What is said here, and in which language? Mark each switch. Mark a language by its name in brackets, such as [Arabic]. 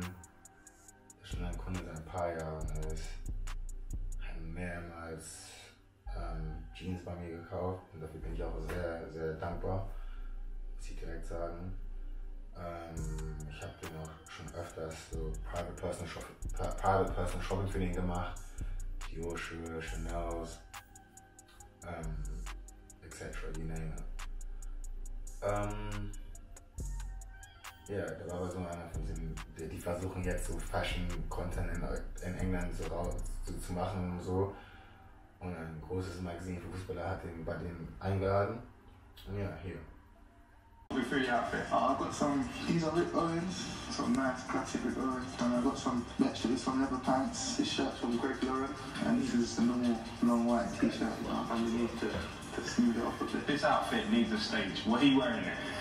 [German] Das ist schon ein Kunde seit ein paar Jahren. Er ist mehrmals Jeans bei mir gekauft und dafür bin ich auch sehr, sehr dankbar, muss ich direkt sagen. Ich habe den auch schon öfters so Private Personal Shopping für den gemacht. [English] Dior, Chanel, etc., you name it. [German] Ja, da war aber so einer von denen, die versuchen jetzt so Fashion-Content in England so zu machen und so. Und ein großes Magazin für Fußballer hat den bei denen eingeladen. Und ja, hier. [English] I've got some, these are ripped Owens, some nice classic ripped Owens, and I've got some Betchley, some leather pants, this shirt from Greg Lauren, and this is the normal long white t-shirt that I'm going to need to smooth it off a bit. This outfit needs a stage, what are you wearing here?